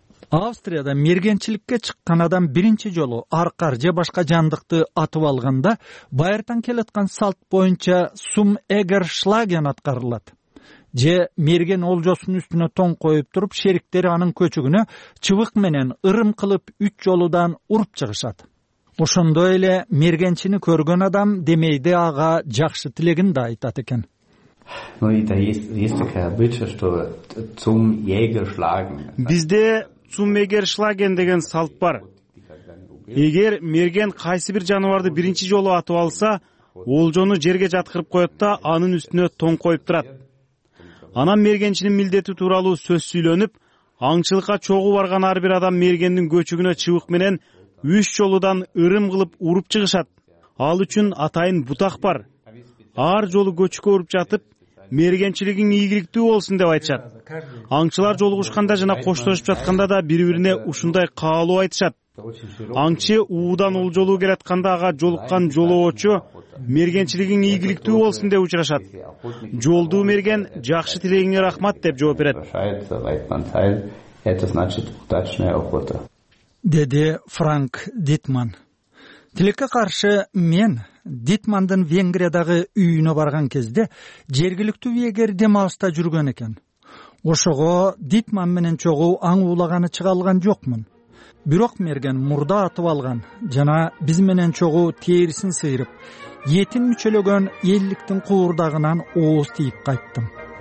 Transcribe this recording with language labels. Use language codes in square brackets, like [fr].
[ky] Австрияда мергенчиликке чыккан адам биринчи жолу аркар же башка жандыкты атып алганда байыртан келаткан салт боюнча сум эгер шлаген аткарылат. Же мерген олжосунун үстүнө тоң коюп туруп, шериктери анын көчүгүнө чыбык менен ырым кылып үч жолудан уруп чыгышат. Ошондой эле мергенчини көргөн адам демейди ага жакшы тилегин да айтат экен. [ru] Ну и да есть такая обычай, что цум егер шлаген. [ky] Бизде цум егер шлаген деген салт бар. Эгер мерген кайсы бир жаныбарды биринчи жолу атып алса, олжону жерге жаткырып коет да анын үстүнө тоң коюп турат. Анан мергенчинин милдети тууралуу сөз сүйлөнүп, аңчылыкка чогуу барган ар бир адам мергендин көчүгүнө чыбык менен үч жолудан ырым кылып уруп чыгышат. Ал үчүн атайын бутак бар. Ар жолу көчкө уруп жатып, мергенчилигиң ийгиликтүү болсун деп айтышат. Аңчылар жолугушканда жана коштошуп жатканда да бири-бирине ушундай каалоо айтышат. Аңчы уудан олжолуу келатканда ага жолуккан жолоочу мергенчилигиң ийгиликтүү болсун деп учурашат. Жолдуу мерген жакшы тилегиңе рахмат деп жооп берет. [ru] Это значит удачная охота. [ky] Деди Франк Дитман. Тилекке каршы мен Дитмандын Венгриядагы үйүнө барган кезде жергиликтүү егер демалышта жүргөн экен. Ошого Дитман менен чогуу аңуулаганы чыга алган жокмун. Бирок мерген мурда атып алган жана биз менен чогуу терисин сыйрып етин мүчөлөгөн элликтин куурдагынан ооз тийип кайттым.